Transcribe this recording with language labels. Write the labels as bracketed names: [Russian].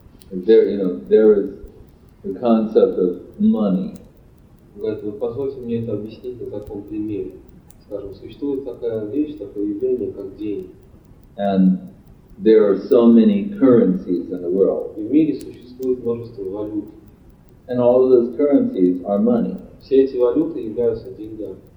[English] There, you know, there is the concept of money. [Russian] Позвольте мне это объяснить на таком примере. Скажем, существует такая вещь, такое явление, как деньги. [English] And there are so many currencies in the world. [Russian] И в мире существует множество валют. [English] And all of those currencies are money. [Russian] Все эти валюты являются деньгами.